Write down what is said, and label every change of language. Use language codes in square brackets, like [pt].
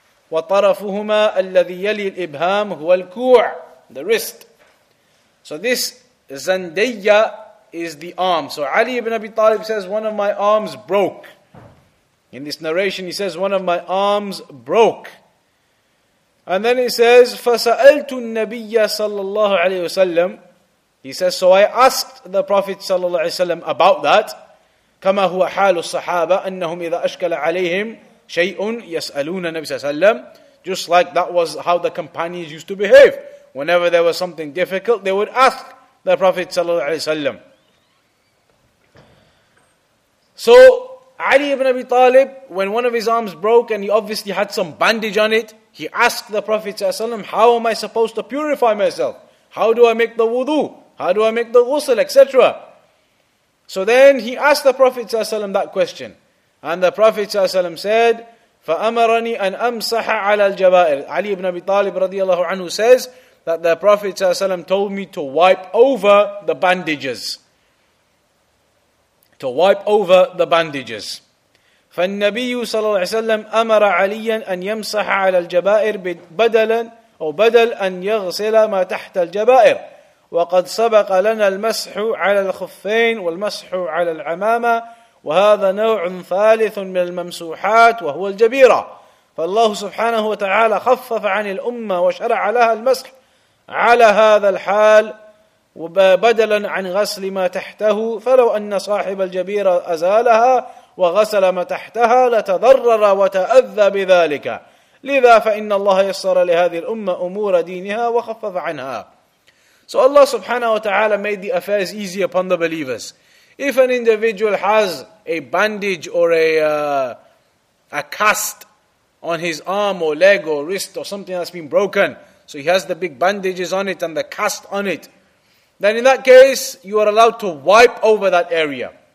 [ar] Wa tarafuhuma alladhi yali al-ibham huwa al-ku'. [en] The wrist. So this zandayya is the arm. So Ali ibn Abi Talib says, one of my arms broke. In this narration, he says, one of my arms broke. And then he says, [ar] فَسَأَلْتُ النَّبِيَّ صَلَّى اللَّهُ عَلَيْهِ وَسَلَّمْ. [en] He says, so I asked the Prophet صلى الله عليه وسلم about that. [ar] كَمَا هُوَ حَالُ الصَّحَابَةِ أَنَّهُمْ إِذَا أَشْكَلَ عَلَيْهِمْ شَيْءٌ يَسْأَلُونَ النَّبِيَ صلى الله عليه وسلم. [en] Just like that was how the companions used to behave. Whenever there was something difficult, they would ask the Prophet صلى الله عليه وسلم. So, Ali ibn Abi Talib, when one of his arms broke and he obviously had some bandage on it, he asked the Prophet ﷺ, how am I supposed to purify myself? How do I make the wudu? How do I make the ghusl, etc.? So then he asked the Prophet ﷺ that question. And the Prophet ﷺ said, [ar] فَأَمَرَنِي أَنْ أَمْسَحَ عَلَى الْجَبَائِرِ. [en] Ali ibn Abi Talib radiallahu anhu says that the Prophet ﷺ told me to wipe over the bandages. To wipe over the bandages. [ar] فالنبي صلى الله عليه وسلم أمر عليا أن يمسح على الجبائر بدلا أو بدل أن يغسل ما تحت الجبائر وقد سبق لنا المسح على الخفين والمسح على العمامة وهذا نوع ثالث من الممسوحات وهو الجبيرة فالله سبحانه وتعالى خفف عن الأمة وشرع لها المسح على هذا الحال بدلا عن غسل ما تحته فلو أن صاحب الجبيرة أزالها وغسل ما تحتها لتضرر وتأذى بذلك لذا فإن الله يسر لهذه الأمة أمور دينها وخفف عنها. [en] So Allah subhanahu wa ta'ala made the affairs easy upon the believers. If an individual has a bandage or a cast on his arm or leg or wrist or something that's been broken, so he has the big bandages on it and the cast on it, then in that case you are allowed to wipe over that area.